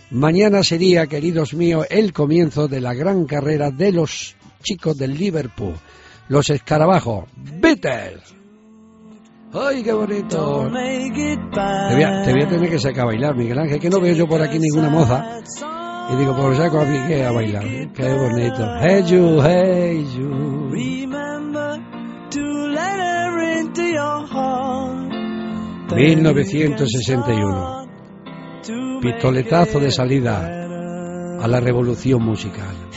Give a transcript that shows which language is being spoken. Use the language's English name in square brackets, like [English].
[Spanish] Mañana sería, queridos míos, el comienzo de la gran carrera de los chicos del Liverpool. Los escarabajos, Beatles. ¡Ay, qué bonito! Te voy a tener que sacar a bailar, Miguel Ángel, que no veo yo por aquí ninguna moza. Y digo, pues saco a Miguel a bailar. ¡Qué bonito! [English] ¡Hey, you! ¡Hey, you! Remember to let her into your heart. [Spanish] 1961. Pistoletazo de salida a la revolución musical.